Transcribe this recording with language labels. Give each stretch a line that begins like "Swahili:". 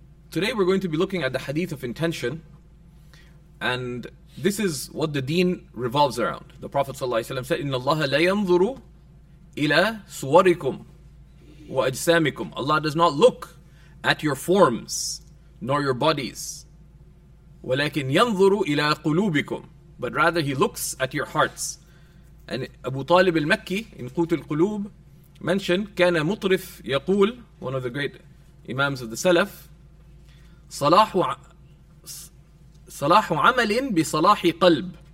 English: Today we're going to be looking at the hadith of intention, and this is what the deen revolves around. The Prophet ﷺ said,
Arabic: إِنَّ اللَّهَ لَيَنْظُرُ إِلَى صُوَرِكُمْ وَأَجْسَامِكُمْ.
English: Allah does not look at your forms nor your bodies.
Arabic: وَلَكِنْ يَنْظُرُ إِلَى قُلُوبِكُمْ.
English: But rather he looks at your hearts. And Abu Talib al-Makki in Qut al-Qulub mentioned,
Arabic: كَانَ مُطْرِفْ يَقُولْ,
English: one of the great imams of the Salaf,
Arabic: صَلَاحُ عَمَلٍ بِصَلَاحِ قَلْبٍ.